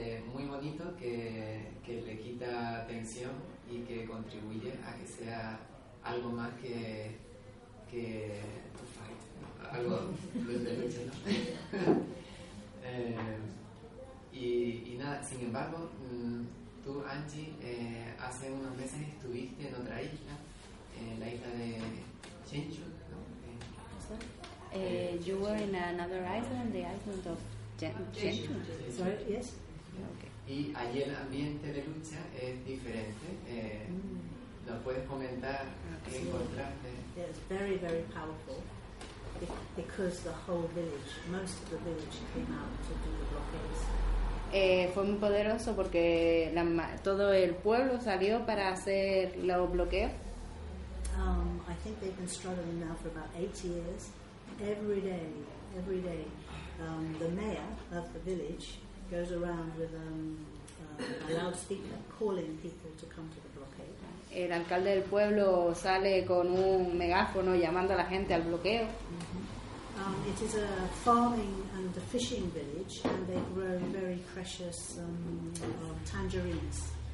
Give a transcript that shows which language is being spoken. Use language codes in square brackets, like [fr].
[es] muy bonito, que le quita tensión y que contribuye a que sea algo más que fight, algo de lucha, ¿no? y nada, sin embargo, tú, Angie, hace unos meses estuviste en otra isla, en la isla de Jeju, ¿no? [en] You were in another island, the island of Jeju. Sorry, yes. [es] Okay. Y allí el ambiente de lucha es diferente. ¿Nos puedes comentar qué encontraste? [en] Yeah, it's very, very powerful because the whole village, most of the village, came out to do the blockades. [es] Fue muy poderoso porque todo el pueblo salió para hacer los bloqueos. [en] I think they've been struggling now for about 8 years. Every day, the mayor of the village goes around with a loudspeaker calling people to come to the blockade. [es] El alcalde del pueblo sale con un megáfono llamando a la gente al bloqueo. Mm-hmm. [en] It is a farming and a fishing village, and they grow very precious tangerines.